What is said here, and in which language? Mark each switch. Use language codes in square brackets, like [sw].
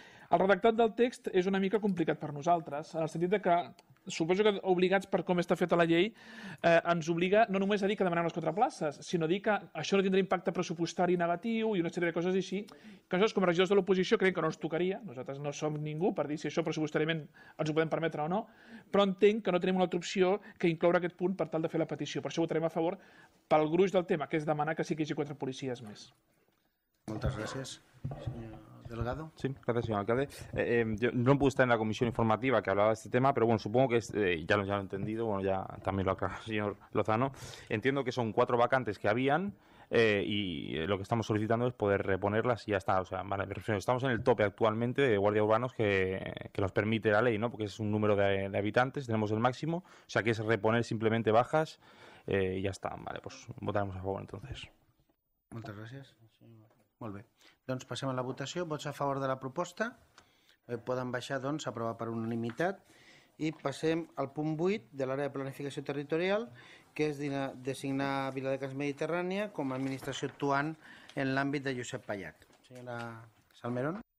[ca] El redactat del text és una mica complicat per nosaltres, en el sentit que suposo que obligats per com està feta la llei ens obliga no només a dir que demanem les 4 places, sinó a dir que això no tindrà impacte pressupostari negatiu i una sèrie de coses així, que nosaltres com a regidors de l'oposició creiem que no ens tocaria, nosaltres no som ningú per dir si això pressupostàriament ens ho podem permetre o no, però entenc que no tenim una altra opció que incloure aquest punt per tal de fer la petició. Per això votarem a favor pel gruix del tema, que és demanar que sí que hi hagi 4 policies més. Moltes gràcies, senyor Delgado. [es] Sí, gracias, señor alcalde. Yo no pude estar en la comisión informativa que hablaba de este tema, pero bueno, supongo que ya lo he entendido, bueno, ya también lo aclaró el señor Lozano. Entiendo que son 4 vacantes que habían y lo que estamos solicitando es poder reponerlas y ya está. O sea, vale, me refiero, estamos en el tope actualmente de guardia urbanos que nos permite la ley, ¿no? Porque es un número de habitantes, tenemos el máximo, o sea, que es reponer simplemente bajas y ya está. Vale, pues votaremos a favor entonces. Muchas gracias. [ca] Molt bé. Doncs passem a la votació. Vots a favor de la proposta? Poden baixar, doncs, aprovar per unanimitat. I passem al punt 8 de l'àrea de planificació territorial, que és designar Viladecans Mediterrània com a administració actuant en l'àmbit de Josep Pallach. Senyora Salmerón.